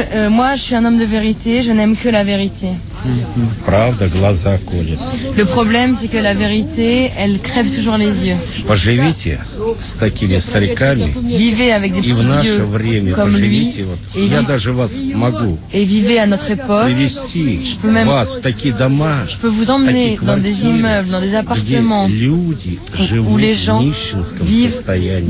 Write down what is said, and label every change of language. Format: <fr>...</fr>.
<fr>Moi, je suis un homme de vérité. Je n'aime que la vérité.</fr> <ru>Правда, глаза колет.</ru> <fr>Le problème, c'est que la vérité, elle crève toujours les yeux.</fr> <ru>Поживите с такими стариками.</ru> <fr>Vivez avec des petits vieux comme lui.</fr> <ru>Я даже вас могу.</ru> <fr>Et vivez à notre époque.</fr> <ru>Привести вас в такие дома.</ru> <fr>Je peux vous emmener dans des immeubles, dans des appartements.</fr> <ru>Люди живут в нищенском состоянии.</ru>